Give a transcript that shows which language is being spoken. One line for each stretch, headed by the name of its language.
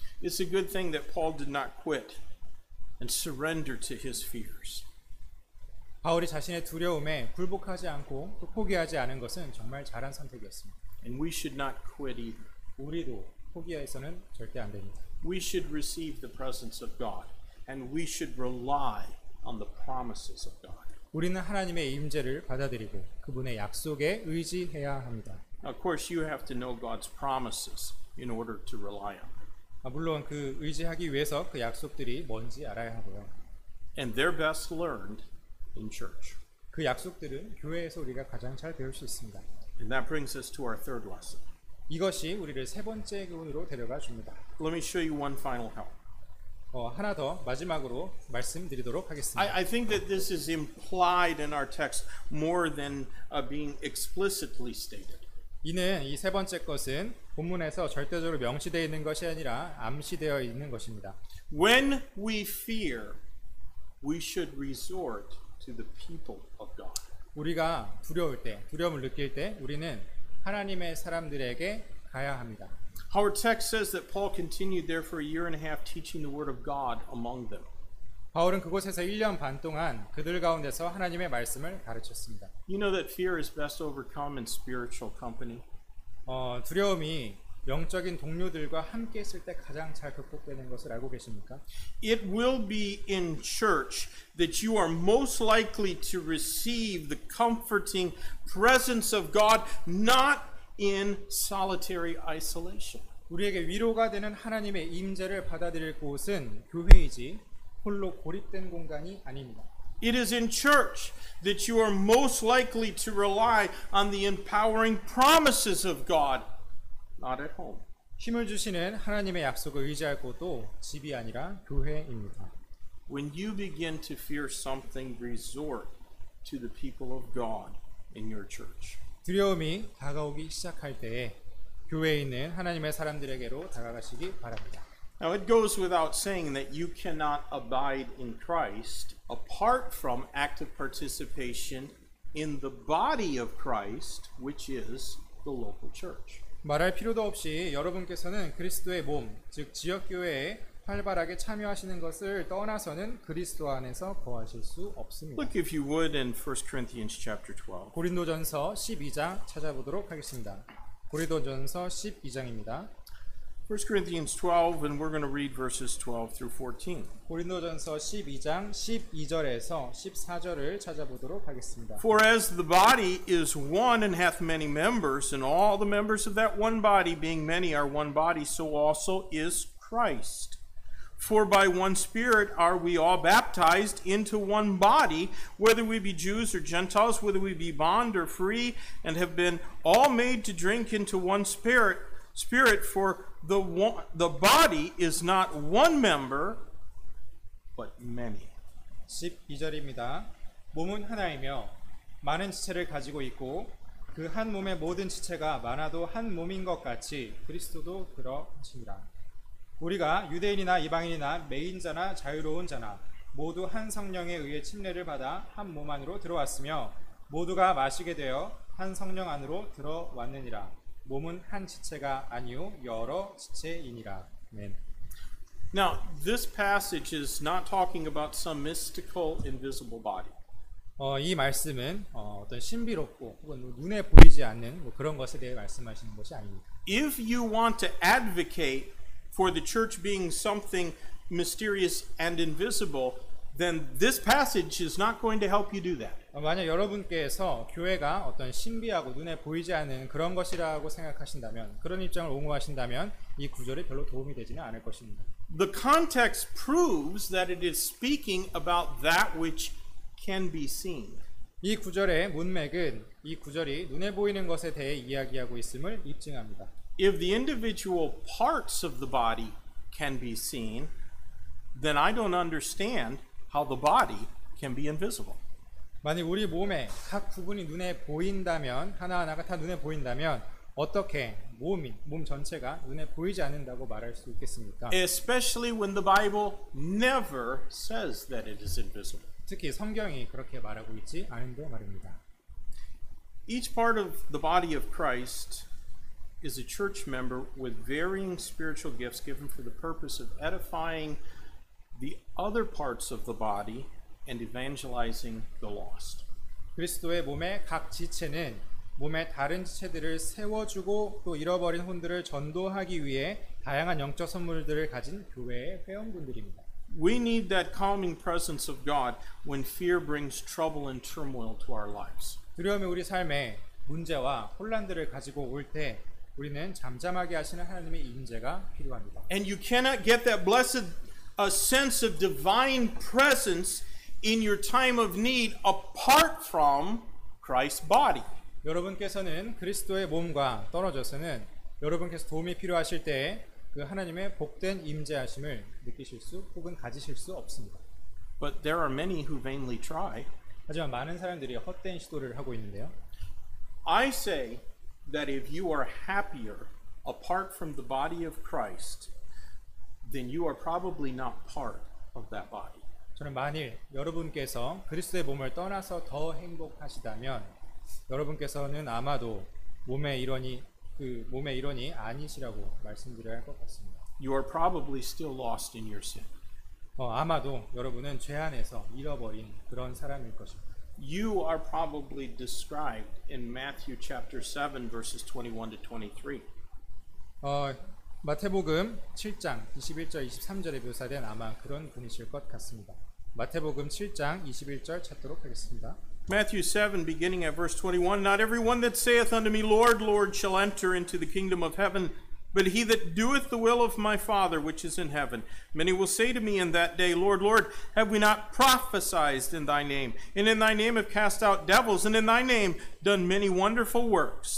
English: It's a good thing that Paul did not quit and surrender to his fears.
Korean: 바울이 자신의 두려움에 굴복하지 않고 또 포기하지 않은 것은 정말 잘한 선택이었습니다.
English: And we should not quit either.
Korean: 우리도 포기해서는 절대 안 됩니다.
English: We should receive the presence of God and we should rely on the promises of God.
Korean: 우리는 하나님의 임재를 받아들이고 그분의 약속에 의지해야 합니다.
English: Of course you have to know God's promises in order to rely on them.
Korean: 물론 그 의지하기 위해서 그 약속들이 뭔지 알아야 하고요.
English: And they're best learned in church.
Korean: 그 약속들은 교회에서 우리가 가장 잘 배울 수 있습니다.
English: And that brings us to our third lesson.
Korean: 이것이 우리를 세 번째 교훈으로 데려가 줍니다.
English: Let me show you one final help.
Korean: 하나 더 마지막으로 말씀드리도록 하겠습니다.
English: I think that this is implied in our text more than being explicitly stated.
Korean: 이는 이 세 번째 것은 본문에서 절대적으로 명시되어 있는 것이 아니라 암시되어 있는 것입니다.
English: When we fear, we should resort to the people of God.
Korean: 우리가 두려울 때, 두려움을 느낄 때 우리는 하나님의 사람들에게 가야 합니다.
English: Our text says that Paul continued there for a year and a half teaching the word of God among them.
Korean: 바울은 그곳에서 1년 반 동안 그들 가운데서 하나님의 말씀을 가르쳤습니다.
English: You know that fear is best overcome in spiritual company.
Korean: 두려움이 영적인 동료들과 함께 있을 때 가장 잘 극복되는 것을 알고 계십니까?
English: It will be in church that you are most likely to receive the comforting presence of God, not in solitary isolation.
Korean: 우리에게 위로가 되는 하나님의 임재를 받아들일 곳은 교회이지 홀로 고립된 공간이 아닙니다.
English: It is in church that you are most likely to rely on the empowering promises of God, not at home.
Korean: 힘을 주시는 하나님의 약속을 의지할 곳도 집이 아니라 교회입니다.
English: When you begin to fear something, resort to the people of God in your church.
Korean: 두려움이 다가오기 시작할 때에 교회에 있는 하나님의 사람들에게로 다가가시기 바랍니다.
English: Now it goes without saying that you cannot abide in Christ apart from active participation in the body of Christ, which is the local church.
Korean: 말할 필요도 없이 여러분께서는 그리스도의 몸, 즉 지역교회에 활발하게 참여하시는 것을 떠나서는 그리스도 안에서 거하실 수 없습니다.
English: Look if you would in 1 Corinthians chapter 12.
Korean: 고린도전서 12장 찾아보도록 하겠습니다. 고린도전서 12장입니다.
English: 1 Corinthians 12 and we're going to read verses 12 through 14.
Korean: 고린도전서 12장 12절에서 14절을 찾아보도록 하겠습니다.
English: For as the body is one and hath many members and all the members of that one body being many are one body so also is Christ. For by one spirit are we all baptized into one body whether we be Jews or Gentiles whether we be bond or free and have been all made to drink into one spirit for The body is not one member, but many.
Korean: 12절입니다. 몸은 하나이며 많은 지체를 가지고 있고 그 한 몸의 모든 지체가 많아도 한 몸인 것 같이 그리스도도 그러하시니라. 우리가 유대인이나 이방인이나 매인자나 자유로운 자나 모두 한 성령에 의해 침례를 받아 한 몸 안으로 들어왔으며 모두가 마시게 되어 한 성령 안으로 들어왔느니라. 몸은 한 지체가 아니요 여러 지체이니라. 아멘.
English: Now, this passage is not talking about some mystical invisible body.
Korean: 이 말씀은 어떤 신비롭고 혹은 눈에 보이지 않는 뭐 그런 것에 대해 말씀하시는 것이 아닙니다.
English: If you want to advocate for the church being something mysterious and invisible, then this passage is not going to help you do that.
Korean: 만약 여러분께서 교회가 어떤 신비하고 눈에 보이지 않는 그런 것이라고 생각하신다면 그런 입장을 옹호하신다면 이 구절이 별로 도움이 되지는 않을 것입니다.
English: The context proves that it is speaking about that which can be seen.
Korean: 이 구절의 문맥은 이 구절이 눈에 보이는 것에 대해 이야기하고 있음을 입증합니다.
English: If the individual parts of the body can be seen, then I don't understand how the body can be invisible.
Korean: 만약 우리 몸의 각 부분이 눈에 보인다면 하나하나가 다 눈에 보인다면 어떻게 몸 전체가 눈에 보이지 않는다고 말할 수 있겠습니까?
English: Especially when the Bible never says that it is invisible.
Korean: 특히 성경이 그렇게 말하고 있지 않은데 말입니다.
English: Each part of the body of Christ is a church member with varying spiritual gifts given for the purpose of edifying the other parts of the body and evangelizing the lost.
Korean: 그리스도의 몸의 각 지체는 몸의 다른 지체들을 세워주고 또 잃어버린 혼들을 전도하기 위해 다양한 영적 선물들을 가진 교회의 회원분들입니다.
English: We need that calming presence of God when fear brings trouble and turmoil to our lives.
Korean: 두려움이 우리 삶에 문제와 혼란들을 가지고 올 때 우리는 잠잠하게 하시는 하나님의 임재가 필요합니다.
English: And you cannot get that blessed a sense of divine presence in your time of need apart from Christ's body.
Korean: 여러분께서는 그리스도의 몸과 떨어져서는 여러분께서 도움이 필요하실 때 그 하나님의 복된 임재하심을 느끼실 수 혹은 가지실 수 없습니다.
English: But there are many who vainly try.
Korean: 하지만 많은 사람들이 헛된 시도를 하고 있는데요.
English: I say that if you are happier apart from the body of Christ, then you are probably not part of that body.
Korean: 저는 만일 여러분께서 그리스도의 몸을 떠나서 더 행복하시다면 여러분께서는 아마도 몸의 일원이 그 몸의 일원이 아니시라고 말씀드려야 할 것 같습니다.
English: You are probably still lost in your sin.
Korean: 아마도 여러분은 죄 안에서 잃어버린 그런 사람일 것입니다.
English: You are probably described in Matthew chapter 7 verses 21 to 23.
Korean: 마태복음 7장 21절 23절에 묘사된 아마 그런 분이실 것 같습니다. 마태복음 7장 21절 찾도록 하겠습니다.
English: Matthew 7 beginning at verse 21. Not everyone that saith unto me, Lord, Lord, shall enter into the kingdom of heaven, but he that doeth the will of my Father which is in heaven. Many will say to me in that day, Lord, Lord, have we not prophesied in thy name? And in thy name have cast out devils, and in thy name done many wonderful works.